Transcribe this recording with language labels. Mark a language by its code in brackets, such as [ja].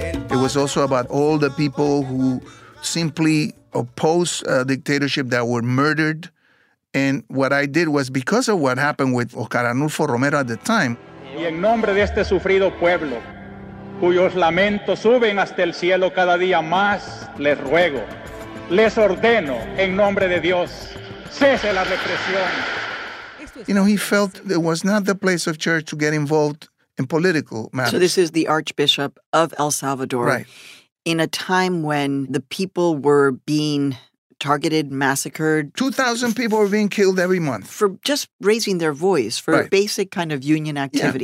[en] It was also about all the people who simply opposed a dictatorship that were murdered. And what I did was, because of what happened with Oscar Arnulfo Romero at the time. [es] Y en nombre de este sufrido pueblo, cuyos lamentos suben hasta el cielo cada día más, les ruego, les ordeno, en nombre de Dios, cese la represión. [en] You know, he felt it was not the place of church to get involved in political matters. So this is the Archbishop of El Salvador. Right. In a time when the people were being targeted, massacred. 2,000 people were being killed every month. For just raising their voice, for right. basic kind of union activity.